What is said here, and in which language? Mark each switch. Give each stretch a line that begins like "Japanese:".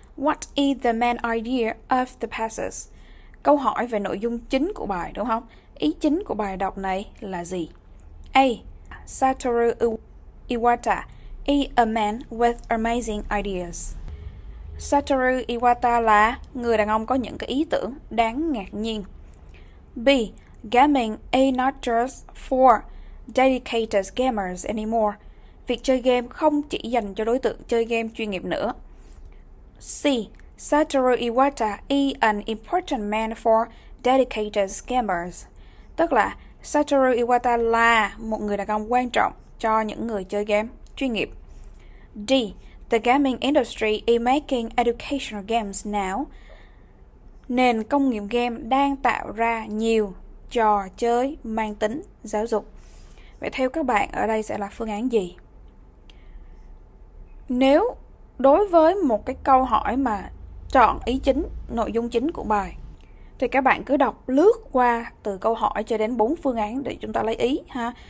English: What is the main idea of the passage?
Vietnamese: Câu hỏi về nội dung chính của bài, đúng không? Ý chính của bài đọc này là gì? A.
English: Satoru Iwata, a man with amazing ideas.
Vietnamese: Satoru Iwata là người đàn ông có những cái ý tưởng đáng ngạc nhiên. B.
English: Gaming is not just for dedicated gamers anymore.
Vietnamese: Việc chơi game không chỉ dành cho đối tượng chơi game chuyên nghiệp nữa. C.
English: Satoru Iwata is an important man for dedicated gamers.
Vietnamese: Tức là Satoru Iwata là một người đàn ông quan trọng cho những người chơi game chuyên nghiệp. D.
English: The gaming industry is making educational games now.
Vietnamese: Nền công nghiệp game đang tạo ra nhiều trò chơi mang tính giáo dục. Vậy theo các bạn ở đây sẽ là phương án gì? Nếu đối với một cái câu hỏi mà chọn ý chính, nội dung chính của bài, thì các bạn cứ đọc lướt qua từ câu hỏi cho đến bốn phương án để chúng ta lấy ý ha.